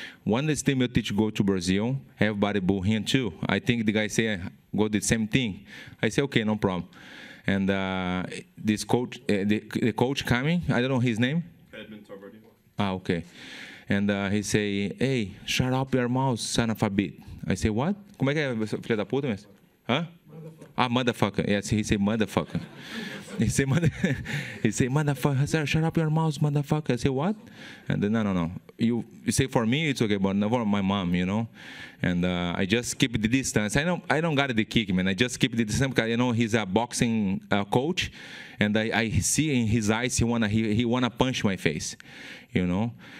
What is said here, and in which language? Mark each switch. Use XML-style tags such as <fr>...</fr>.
<en>When the stimulus teach go to Brazil, everybody boo him too. I think the guy say, go the same thing. I say, okay, no problem. And this coach, the coach coming, I don't know his name. Edmund Tarverdian. Ah, okay. And he say, hey, shut up your mouth, son of a bitch. I say, what?</en> <pt>Como é que é, filha da puta? Huh?</pt> <en>Motherfucker. Ah, motherfucker. Yes, he say, motherfucker. He say, motherfucker, sir, shut up your mouth, motherfucker. I say, what? And then, no. You say, for me, it's okay, but not for my mom, you know? And I just keep the distance. I don't got the kick, man. I just keep the distance because, you know, he's a boxing coach, and I see in his eyes he wanna punch my face, you know?</en>